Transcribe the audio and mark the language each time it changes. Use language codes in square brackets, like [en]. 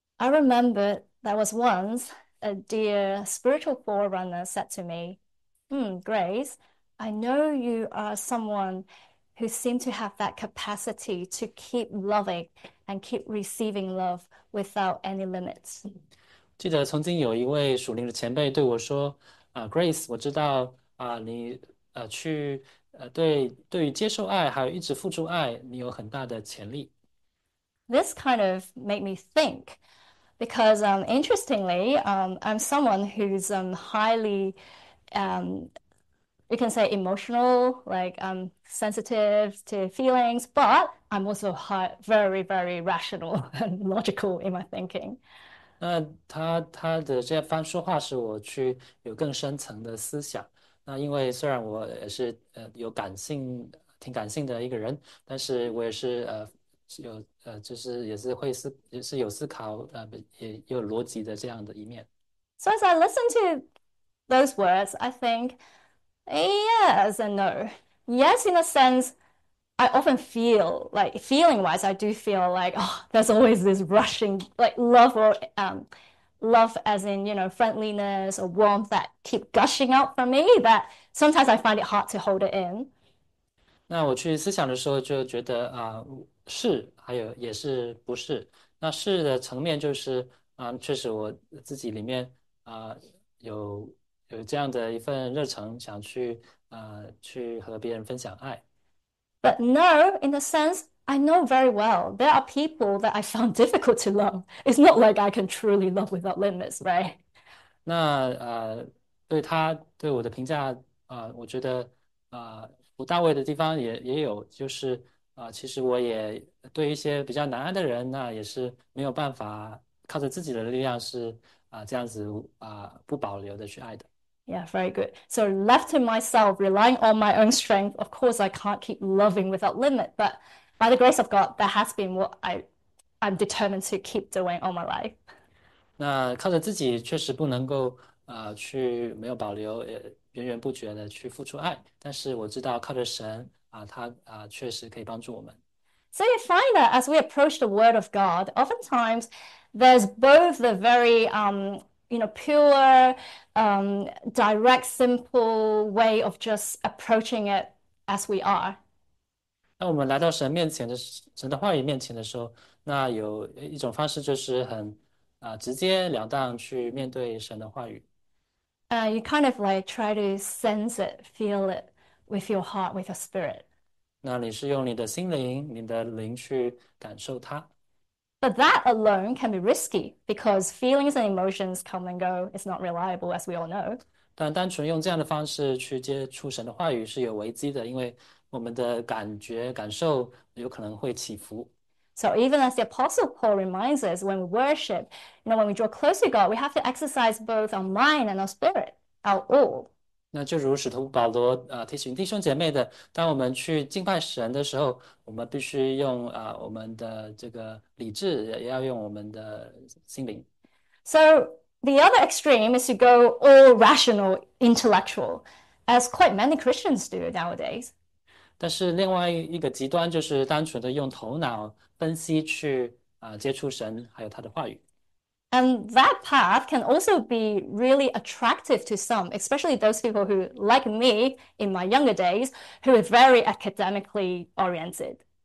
[en] I remember there was once a dear spiritual forerunner said to me, Grace, I know you are someone who seem to have that capacity to keep loving and keep receiving love without any limits. [zh] 记得曾经有一位属灵的前辈对我说：“Grace，我知道你去对于接受爱，还有一直付出爱，你有很大的潜力。 [en] This kind of made me think. Because interestingly, I'm someone who's highly, you can say emotional, like sensitive to feelings, but I'm also high, very, very rational and logical in my thinking. [zh] ”那他的这番说话使我去有更深层的思想。那因为虽然我也是有感性，挺感性的一个人，但是我也是就是也是会思，也是有思考，也有逻辑的这样的一面。 [en] So as I listen to those words, I think, yes and no. Yes, in a sense, I often feel like feeling-wise, I do feel like oh, there's always this rushing like love or love as in friendliness or warmth that keep gushing out from me that sometimes I find it hard to hold it in. [zh] 那我去思想的时候就觉得是，还有也是不是？那是的层面就是确实我自己里面有这样的一份热忱，想去和别人分享爱。 [en] But no, in a sense, I know very well there are people that I found difficult to love. It's not like I can truly love without limits, right? [zh] 那对他对我的评价我觉得不到位的地方也有，就是其实我也对一些比较难安的人，那也是没有办法靠着自己的力量是这样子不保留的去爱的。 [en] Yeah, very good. So left to myself, relying on my own strength, of course I can't keep loving without limit, but by the grace of God, that has been what I'm determined to keep doing all my life. [zh] 那靠着自己确实不能够去没有保留也。源源不绝的去付出爱，但是我知道靠着神他确实可以帮助我们。 [en] So you find that as we approach the Word of God, oftentimes there's both the very pure, direct, simple way of just approaching it as we are. [zh] 当我们来到神面前的神的话语面前的时候，那有一种方式就是很直截了当去面对神的话语。 [en] You kind of like try to sense it, feel it with your heart, with your spirit. [zh] 那你是用你的心灵，你的灵去感受它。 [en] But that alone can be risky because feelings and emotions come and go. It's not reliable, as we all know. [zh] 但单纯用这样的方式去接触神的话语是有危机的，因为我们的感觉、感受有可能会起伏。 [en] So even as the Apostle Paul reminds us, when we worship, when we draw close to God, we have to exercise both our mind and our spirit, our all. [zh] 那就如使徒保罗提醒弟兄姐妹的，当我们去敬拜神的时候，我们必须用我们的这个理智，也要用我们的心灵。 [en] So the other extreme is to go all rational, intellectual, as quite many Christians do nowadays. [zh] 但是另外一个极端就是单纯的用头脑分析去接触神，还有他的话语。 [en] And that path can also be really attractive to some, especially those people who, like me in my younger days, who are very academically oriented.